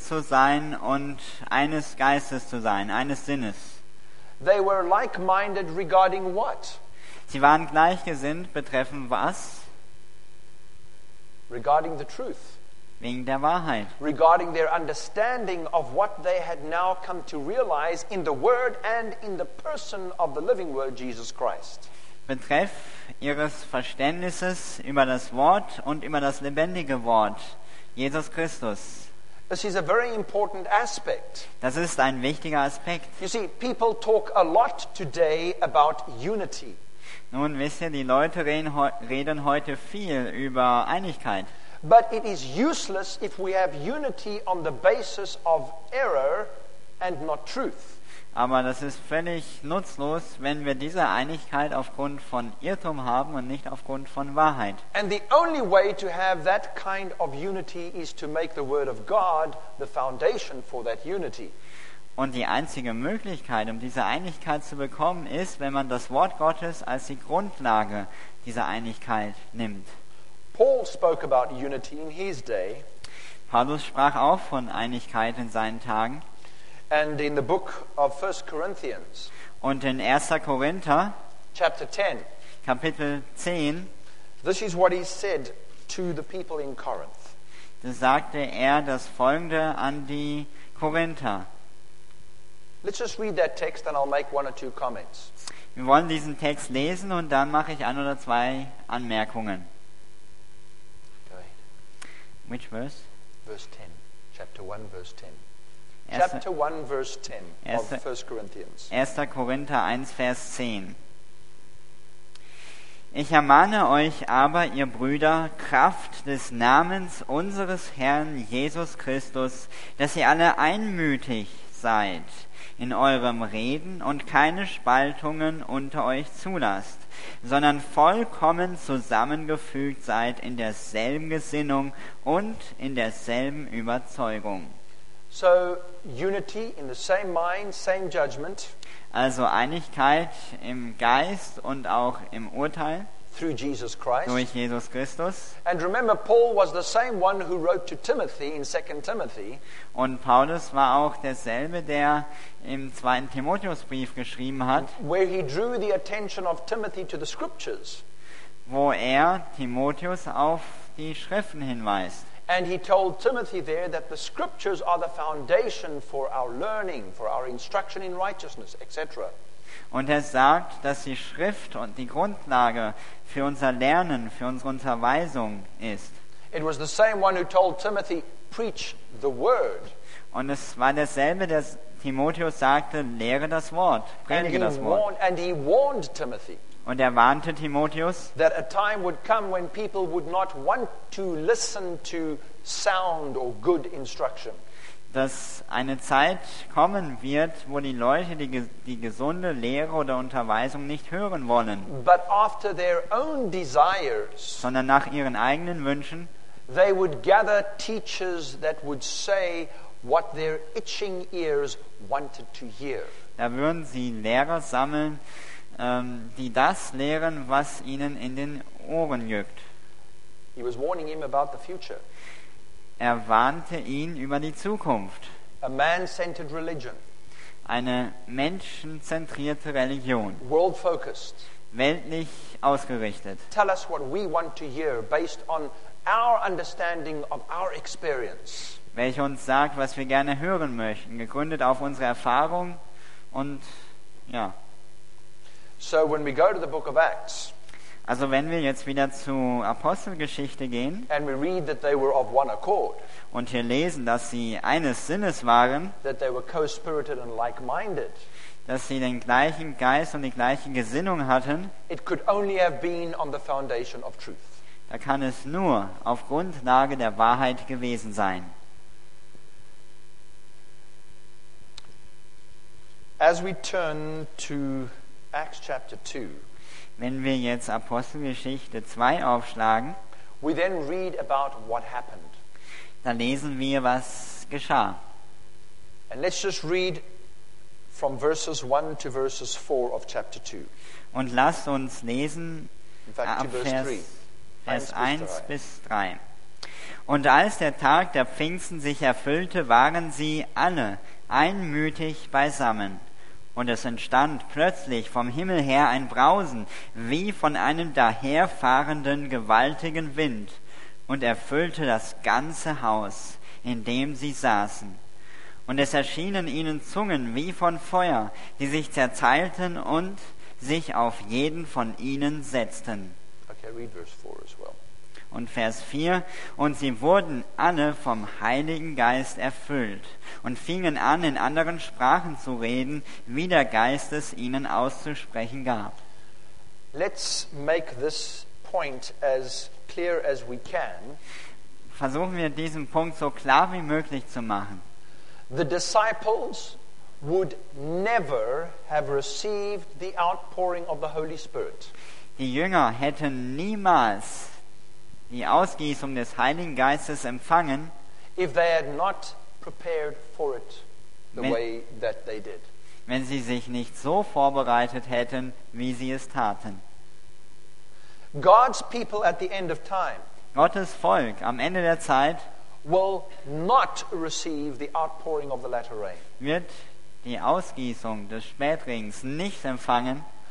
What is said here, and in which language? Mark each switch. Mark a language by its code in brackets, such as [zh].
[de] zu sein und eines Geistes zu sein, eines Sinnes. [en] They were like-minded regarding what? [de] Sie waren gleichgesinnt betreffend was? [en] Regarding the truth. [de] Wegen der Wahrheit. [en] Regarding their understanding of what they had now come to realize in the Word and in the person of the living Word, Jesus Christ. [de] Betreff ihres Verständnisses über das Wort und über das lebendige Wort, Jesus Christus. [en] This is a very important aspect. [de] Das ist ein wichtiger Aspekt. [en] You see, people talk a lot today about unity. [de] Nun, wisst ihr, die Leute reden heute viel über Einigkeit. [en] But it is useless if we have unity on the basis of error and not truth. [de] Aber das ist völlig nutzlos, wenn wir diese Einigkeit aufgrund von Irrtum haben und nicht aufgrund von Wahrheit. [en] And the only way to have that kind of unity is to make the Word of God the foundation for that unity. [de] Und die einzige Möglichkeit, um diese Einigkeit zu bekommen, ist, wenn man das Wort Gottes als die Grundlage dieser Einigkeit nimmt. [en] Paul spoke about unity in his day. [de] Paulus sprach auch von Einigkeit in seinen Tagen. [en] And in the book of 1 Corinthians. [de] Und in 1. Korinther, [en] chapter 10. [de] Kapitel 10. [en] This is what he said to the people in Corinth. [de] Da sagte er das Folgende an die Korinther. [en] Let's just read that text and I'll make one or two comments. [de] Wir wollen diesen Text lesen und dann mache ich ein oder zwei Anmerkungen. [en] Which verse? Verse 10. Chapter 1, verse 10. Chapter 1, verse 10 of 1 Corinthians. [de] 1. Korinther 1, Vers 10. Ich ermahne euch aber, ihr Brüder, Kraft des Namens unseres Herrn Jesus Christus, dass ihr alle einmütig seid in eurem Reden und keine Spaltungen unter euch zulasst, sondern vollkommen zusammengefügt seid in derselben Gesinnung und in derselben Überzeugung. [en] So, unity in the same mind, same judgment. [de] Also Einigkeit im Geist und auch im Urteil. [en] Through Jesus Christ. [de] Durch Jesus Christus. [en] And remember, Paul was the same one who wrote to Timothy in 2 Timothy. [de] Und Paulus war auch derselbe, der im 2. Timotheusbrief geschrieben hat. [en] Where he drew the attention of Timothy to the scriptures. [de] Wo er Timotheus auf die Schriften hinweist. [en] And he told Timothy there that the scriptures are the foundation for our learning, for our instruction in righteousness, etc. [de] Und er sagt, dass die Schrift und die Grundlage für unser Lernen, für unsere Unterweisung ist. [en] It was the same one who told Timothy, preach the word. [de] Und es war derselbe, der Timotheus sagte, lehre das Wort, predige das Wort. [en] And he warned Timothy. [de] Und er warnte Timotheus, [en] that a time would come when people would not want to listen to sound or good instruction. [de] Dass eine Zeit kommen wird, wo die Leute die gesunde Lehre oder Unterweisung nicht hören wollen, [en] but after their own desires, [de] sondern nach ihren eigenen Wünschen, [en] they would gather teachers that would say what their itching ears wanted to hear. [de] Da würden sie Lehrer sammeln, die das lehren, was ihnen in den Ohren juckt. [en] He was warning him about the future. [de] Er warnte ihn über die Zukunft. [en] A man-centered religion. [de] Eine menschenzentrierte Religion. [en] World-focused. [de] Weltlich ausgerichtet. [en] Tell us what we want to hear based on our understanding of our experience. [de] Welche uns sagt, was wir gerne hören möchten, gegründet auf unsere Erfahrung und Ja. [en] So when we go to the book of Acts, [de] also wenn wir jetzt wieder zur Apostelgeschichte gehen, [en] and we read that they were of one accord, [de] und hier lesen, dass sie eines Sinnes waren, [en] that they were co-spirited and like-minded, [de] dass sie den gleichen Geist und die gleiche Gesinnung hatten, [en] it could only have been on the foundation of truth. [de] Da kann es nur auf Grundlage der Wahrheit gewesen sein. [en] As we turn to Acts chapter 2, [de] wenn wir jetzt Apostelgeschichte 2 aufschlagen, [en] we then read about what happened. [de] Dann lesen wir, was geschah. [en] And let's just read from verses 1 to verses 4 of chapter 2. [de] Und lasst uns lesen ab Vers 1 bis 3. Und als der Tag der Pfingsten sich erfüllte, waren sie alle einmütig beisammen. Und es entstand plötzlich vom Himmel her ein Brausen, wie von einem daherfahrenden gewaltigen Wind, und erfüllte das ganze Haus, in dem sie saßen. Und es erschienen ihnen Zungen wie von Feuer, die sich zerteilten und sich auf jeden von ihnen setzten. [en] Okay, read verse 4 as well. [de] Und Vers 4, und sie wurden alle vom Heiligen Geist erfüllt und fingen an, in anderen Sprachen zu reden, wie der Geist es ihnen auszusprechen gab. [en] Let's make this point as clear as we can. [de] Versuchen wir, diesen Punkt so klar wie möglich zu machen. [en] The disciples would never have received the outpouring of the Holy Spirit. [de] Die Jünger hätten niemals die Ausgießung des Heiligen Geistes empfangen, [en] if they had not prepared for it the way that they did. [de] Wenn sie sich nicht so vorbereitet hätten, wie sie es taten. [en] God's people at the end of time, [de] Gottes Volk am Ende der Zeit, [en] will not receive the outpouring of the latter rain, [de] wird die Ausgießung des Spätregens nicht empfangen,